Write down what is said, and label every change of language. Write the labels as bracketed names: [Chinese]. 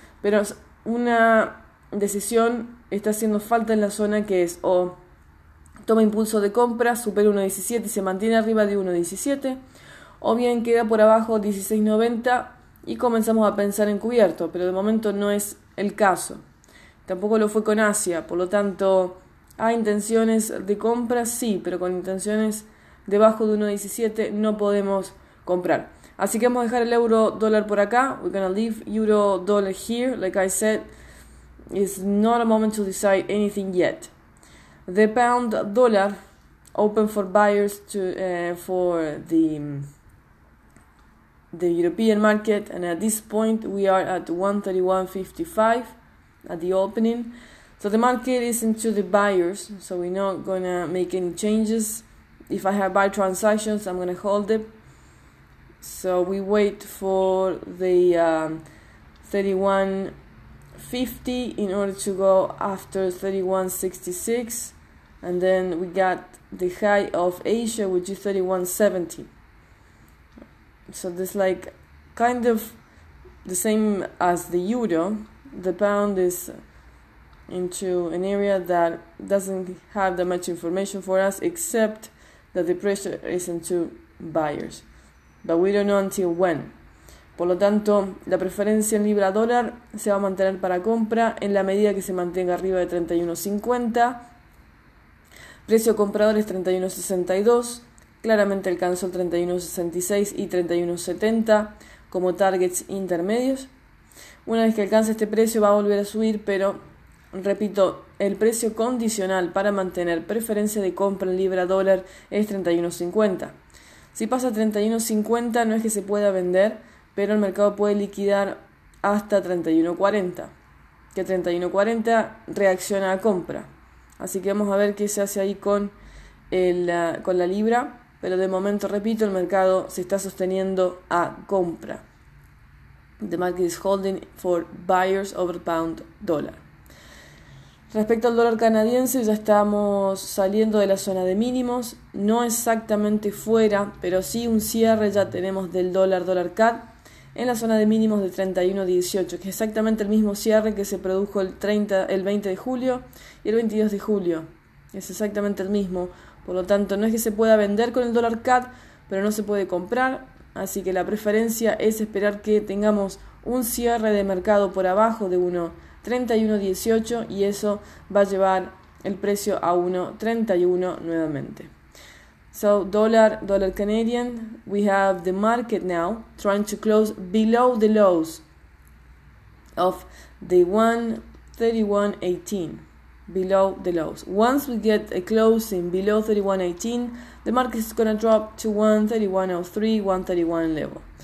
[Spanish] Pero una decisión está haciendo falta en la zona que es o toma impulso de compra, supera 1.17 y se mantiene arriba de 1.17 o bien queda por abajo 16.90 y comenzamos a pensar en cubierto, pero de momento no es el caso. Tampoco lo fue con Asia, por lo tanto, ¿hay intenciones de compra? Sí, pero con intenciones debajo de 1.17 no podemos comprar. Así que vamos a dejar el euro dólar por acá. [English] We're gonna leave euro dollar here. Like I said, it's not a moment to decide anything yet. The pound dollar open for buyers for the European market, and at this point we are at 131.55. At the opening, so the market is into the buyers, so we're not gonna make any changes. If I have buy transactions, I'm gonna hold it. So we wait for the 31.50 in order to go after 31.66, and then we got the high of Asia, which is 31.70. So this like kind of the same as the euro. The pound is into an area that doesn't have that much information for us, except that the pressure is into buyers. But we don't know until when. [Spanish] Por lo tanto, la preferencia en libra dólar se va a mantener para compra en la medida que se mantenga arriba de 31.50. Precio comprador es 31.62. Claramente alcanzó el 31.66 y 31.70 como targets intermedios. Una vez que alcance este precio va a volver a subir, pero repito, el precio condicional para mantener preferencia de compra en libra dólar es 31.50. Si pasa 31.50, no es que se pueda vender, pero el mercado puede liquidar hasta 31.40, que 31.40 reacciona a compra. Así que vamos a ver qué se hace ahí con la libra, pero de momento, repito, el mercado se está sosteniendo a compra. [English] The market is holding for buyers over pound dollar. [Spanish] Respecto al dólar canadiense, ya estamos saliendo de la zona de mínimos, no exactamente fuera, pero sí un cierre ya tenemos del dólar CAD en la zona de mínimos de 31.18, que es exactamente el mismo cierre que se produjo el 20 de julio y el 22 de julio. Es exactamente el mismo. Por lo tanto, no es que se pueda vender con el dólar CAD, pero no se puede comprar. Así que la preferencia es esperar que tengamos un cierre de mercado por abajo de 1.3118 y eso va a llevar el precio a 1.31 nuevamente. [English] So, dollar Canadian, we have the market now trying to close below the lows of the 1.3118, below the lows. Once we get a closing below 31.18, the market is going to drop to 131.03, 131 level.